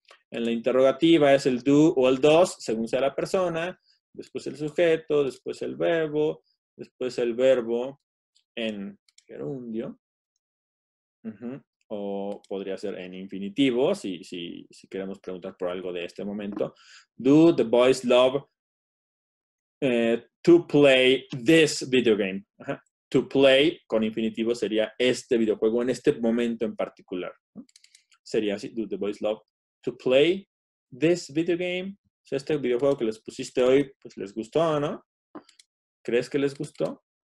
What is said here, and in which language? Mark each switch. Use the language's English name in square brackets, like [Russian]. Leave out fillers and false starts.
[Spanish] En la interrogativa es el do o el does, según sea la persona. Después el sujeto, después el verbo, en gerundio, o podría ser en infinitivo, si queremos preguntar por algo de este momento. [English] Do the boys love to play this video game? [Spanish] To play, con infinitivo, sería este videojuego en este momento en particular. Sería así, [English] do the boys love to play this video game? [Spanish] O sea, este videojuego que les pusiste hoy, pues les gustó, ¿no? ¿Crees que les gustó?